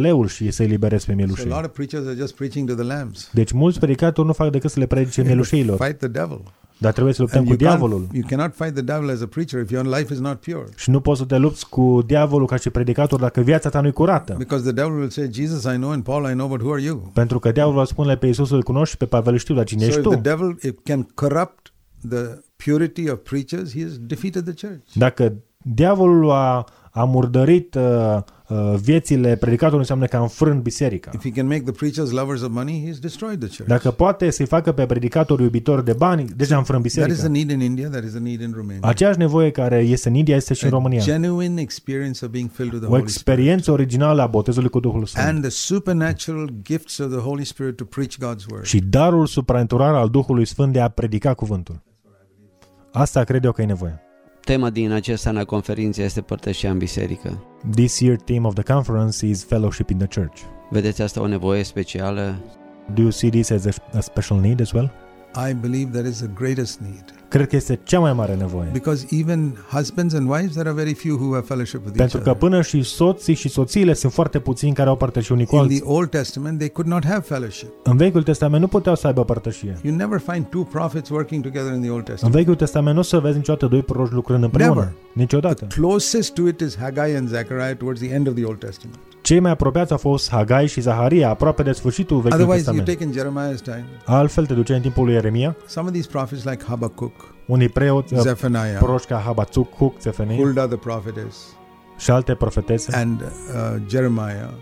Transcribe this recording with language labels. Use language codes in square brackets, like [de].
[ro] leul și să-i eliberezi pe mielușeni. [en] So a lot of preachers are just preaching to the lambs. [ro] Deci mulți predicatori nu fac decât să le predice mielușeilor. [en] Fight the devil. [ro] Dar trebuie să luptăm cu diavolul. [en] You cannot fight the devil as a preacher if your life is not pure. [ro] Și nu poți să te lupți cu diavolul ca și predicator dacă viața ta nu e curată. [en] Because the devil will say, Jesus I know and Paul I know, but who are you? [ro] Pentru că diavolul va spune pe Iisus îl cunoști, pe Pavel știu, dar cine ești tu? [en] So the devil can corrupt the purity of preachers, he has defeated the church. [ro] Dacă diavolul a murdărit viețile predicatorului, înseamnă că a înfrânt biserica. [en] If he can make the preachers lovers of money, he's destroyed the church. [ro] Dacă poate să-i facă pe predicatori iubitori de bani, deja a înfrânt biserica. [en] That is a need in India, that is a need in Romania. [ro] Aceeași nevoie care este în India este și în România. [en] Genuine experience of being filled with the Holy Spirit. [ro] O experiență originală a botezului cu Duhul Sfânt. [en] And the supernatural gifts of the Holy Spirit to preach God's word. [ro] Și darul supranatural al Duhului Sfânt de a predica cuvântul. Asta cred eu că e nevoie. Tema din acest an a conferinței este părtășia în biserică. [en] This year theme of the conference is fellowship in the church. [ro] Vedeți asta o nevoie specială? [en] Do you see this as a special need as well? I believe that is the greatest need. [ro] Cred că este cea mai mare nevoie. [en] Because even husbands and wives there are very few who have fellowship with each other. [ro] Pentru că până și soții și soțiile sunt foarte puțini care au părtășie unii cu alții. [en] In the Old Testament they could not have fellowship. [ro] În Vechiul Testament nu puteau să aibă părtășie. [en] You never find two prophets working together in the Old Testament. [ro] În Vechiul Testament nu se vezi niciodată doi proroci lucrând împreună. [en] Never. [ro] Niciodată. [en] The closest to it is Haggai and Zechariah towards the end of the Old Testament. [ro] Cei mai apropiați au fost Hagai și Zaharia, aproape de sfârșitul Vechiului Testament. Altfel te duce în timpul lui Ieremia. [en] Some of these prophets like Habacuc, [ro] unii preoți, [en] Zephaniah, [ro] proroși ca Habacuc, Zephaniah, [en] Hulda the prophetess, [ro] și alte profetese, [en] and Jeremiah,